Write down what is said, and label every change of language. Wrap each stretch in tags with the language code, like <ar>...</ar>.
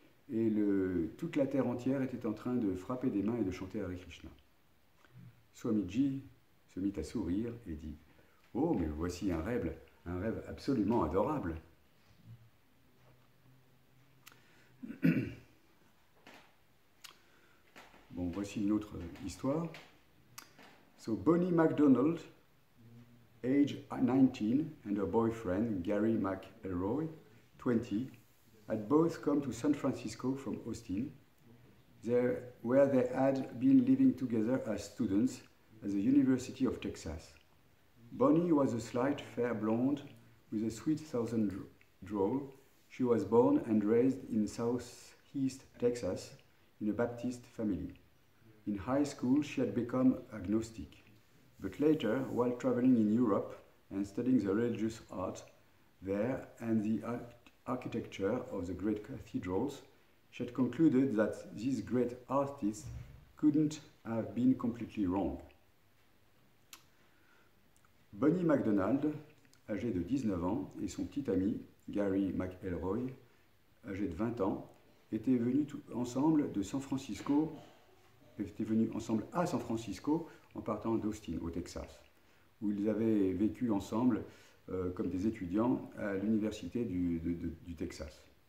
<fr>et toute la terre entière était en train de frapper des mains et de chanter Hare Krishna. Swamiji se mit à sourire et dit « Oh, mais voici un rêve absolument adorable !» Bon, voici une autre histoire.</fr> <en>So, Bonnie MacDonald, age 19, and her boyfriend, Gary McElroy, 20, had both come to San Francisco from Austin, where they had been living together as students at the University of Texas. Bonnie was a slight, fair blonde with a sweet southern drawl. She was born and raised in southeast Texas in a Baptist family. In high school, she had become agnostic. But later, while traveling in Europe and studying the religious art there and the architecture of the great cathedrals, she had concluded that these great artists couldn't have been completely wrong.</en> <fr>Bonnie MacDonald, âgée de 19 ans, et son petit ami, Gary McElroy, âgé de 20 ans, étaient venus à San Francisco en partant d'Austin, au Texas, où ils avaient vécu ensemble comme des étudiants à l'université du Texas.</fr>